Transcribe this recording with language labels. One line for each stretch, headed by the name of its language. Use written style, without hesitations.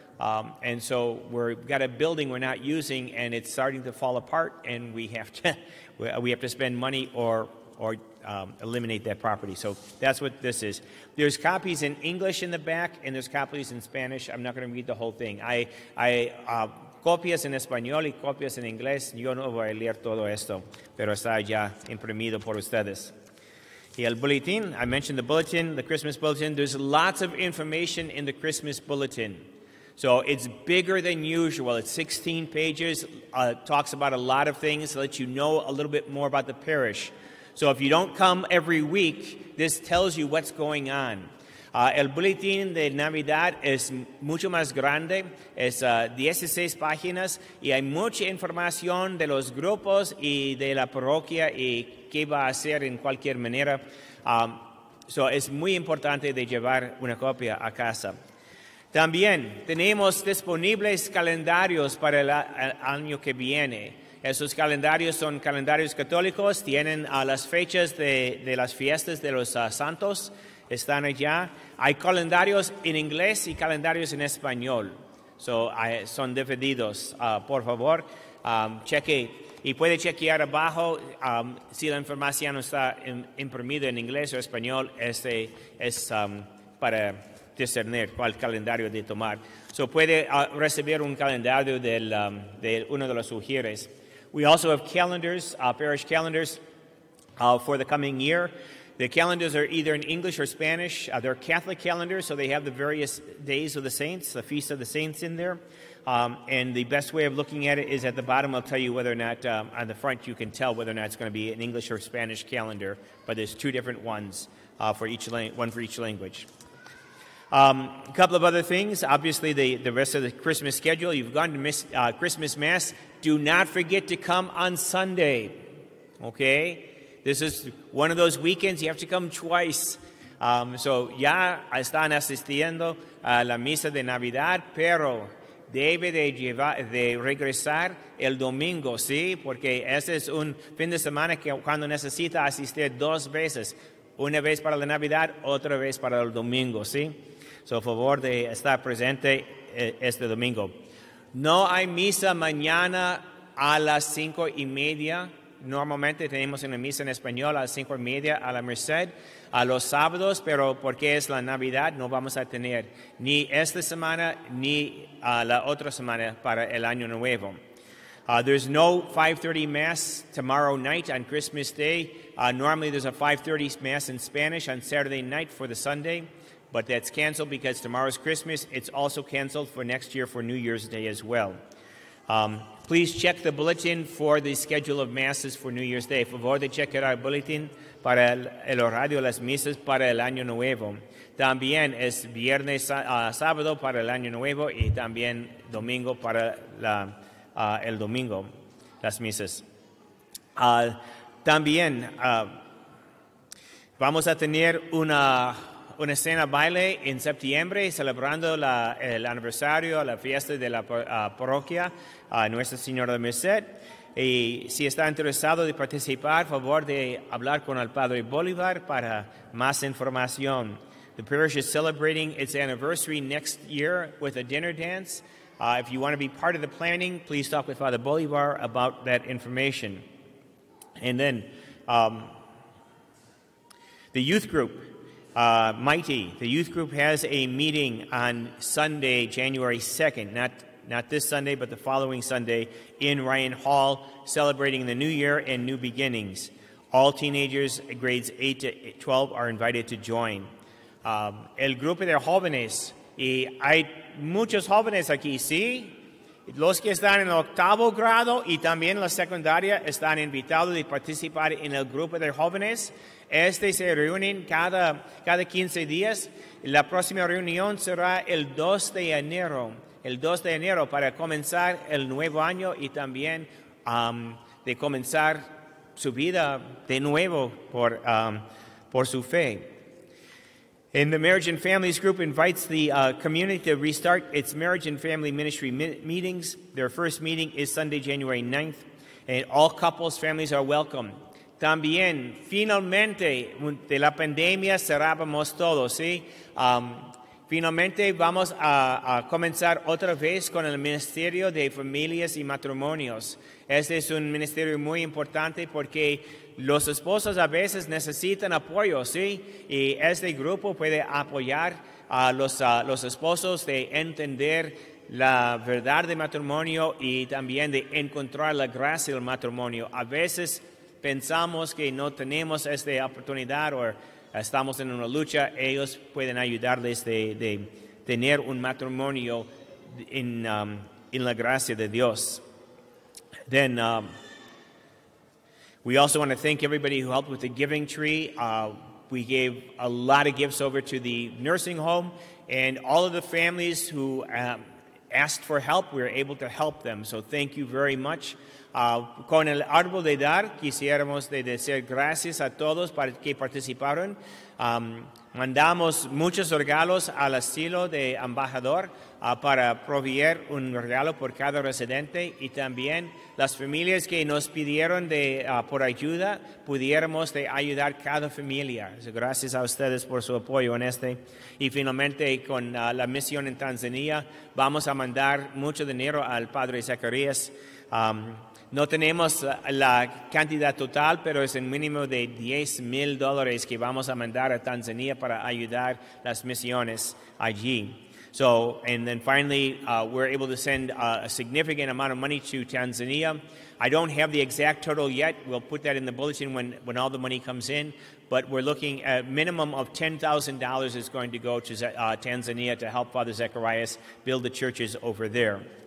English: And so we've got a building we're not using, and it's starting to fall apart, and we have to spend money or eliminate that property. So that's what this is. There's copies in English in the back, and there's copies in Spanish. I'm not going to read the whole thing.
Spanish: Copias en español y copias en inglés. Yo no voy a leer todo esto, pero está ya imprimido por ustedes. Y el
English: bulletin, I mentioned the bulletin, the Christmas bulletin. There's lots of information in the Christmas bulletin. So it's bigger than usual. It's 16 pages, talks about a lot of things, lets you know a little bit more about the parish. So if you don't come every week, this tells you what's going on.
Spanish: El bulletin de Navidad es mucho más grande, es 16 páginas, y hay mucha información de los grupos y de la parroquia y qué va a hacer en cualquier manera. So es muy importante de llevar una copia a casa. También tenemos disponibles calendarios para el año que viene. Esos calendarios son calendarios católicos, tienen las fechas de las fiestas de los santos. Están allá. Hay calendarios en inglés y calendarios en español. Son divididos. Por favor, cheque. Y puede chequear abajo si la información no está imprimida en inglés o español. Este es para discernir cuál calendario de tomar. Puede recibir un calendario de uno de los sugieres.
English: We also have calendars, parish calendars, for the coming year. The calendars are either in English or Spanish. They're Catholic calendars, so they have the various days of the saints, the Feast of the Saints in there. And the best way of looking at it is at the bottom. I'll tell you whether or not, on the front, you can tell whether or not it's going to be an English or Spanish calendar, but there's two different ones, one for each language. A couple of other things. Obviously, the rest of the Christmas schedule, you've gone to Christmas Mass. Do not forget to come on Sunday, okay? This is one of those weekends you have to come twice.
Spanish: So ya están asistiendo a la misa de Navidad, pero debe de regresar el domingo, ¿sí? Porque ese es un fin de semana que cuando necesita asistir dos veces, una vez para la Navidad, otra vez para el domingo, ¿sí? So favor de estar presente este domingo. No hay misa mañana a las 5:30. Normalmente tenemos una misa en español a las 5:30 a la Merced a los sábados, pero porque es la Navidad no vamos a tener ni esta semana ni la otra semana para el Año Nuevo.
English: There's no 5:30 mass tomorrow night on Christmas Day. Normally there's a 5:30 mass in Spanish on Saturday night for the Sunday, but that's canceled because tomorrow's Christmas. It's also canceled for next year for New Year's Day as well. Please check the bulletin for the schedule of masses for New Year's Day.
Spanish: Por favor, de chequear el bulletin para el horario de las misas para el Año Nuevo. También es viernes a sábado para el Año Nuevo y también domingo para la, el domingo, las misas. También vamos a tener una cena baile en septiembre celebrando el aniversario, la fiesta de la parroquia a Nuestra Señora de Merced. Y si está interesado de participar, favor de hablar con el Padre Bolívar para más información.
English: The parish is celebrating its anniversary next year with a dinner dance. If you want to be part of the planning, please talk with Father Bolívar about that information. And then the youth group, Mighty, the youth group has a meeting on Sunday, January 2nd, not this Sunday, but the following Sunday in Ryan Hall, celebrating the new year and new beginnings. All teenagers, grades 8 to 12, are invited to join.
Spanish: El grupo de jóvenes, y hay muchos jóvenes aquí, ¿sí? Los que están en el octavo grado y también la secundaria están invitados a participar en el grupo de jóvenes. Este se reúnen cada 15 días. La próxima reunión será el 2 de enero. El 2 de enero para comenzar el nuevo año y también de comenzar su vida de nuevo por su fe.
English: And the Marriage and Families Group invites the community to restart its Marriage and Family Ministry meetings. Their first meeting is Sunday, January 9th, and all couples, families are welcome.
Spanish: También, finalmente, de la pandemia cerrábamos todo, ¿sí? Finalmente vamos a comenzar otra vez con el Ministerio de Familias y Matrimonios. Este es un ministerio muy importante porque los esposos a veces necesitan apoyo, ¿sí? Y este grupo puede apoyar a los esposos de entender la verdad del matrimonio y también de encontrar la gracia del matrimonio. A veces pensamos que no tenemos esta oportunidad o estamos en una lucha, ellos pueden ayudarles de tener un matrimonio en la gracia de Dios.
English: Then we also want to thank everybody who helped with the giving tree. We gave a lot of gifts over to the nursing home, and all of the families who asked for help, we were able to help them. So thank you very much.
Spanish: Con el árbol de dar, quisiéramos de decir gracias a todos para que participaron. Mandamos muchos regalos al asilo de embajador para proveer un regalo por cada residente. Y también las familias que nos pidieron por ayuda, pudiéramos de ayudar cada familia. Gracias a ustedes por su apoyo en este. Y finalmente, con la misión en Tanzania, vamos a mandar mucho dinero al Padre Zacarías. No tenemos la cantidad total, pero es un mínimo de $10,000 que vamos a mandar a Tanzania para ayudar las misiones allí.
English: So, and then finally, we're able to send a significant amount of money to Tanzania. I don't have the exact total yet. We'll put that in the bulletin when all the money comes in. But we're looking at a minimum of $10,000 is going to go to Tanzania to help Father Zacharias build the churches over there.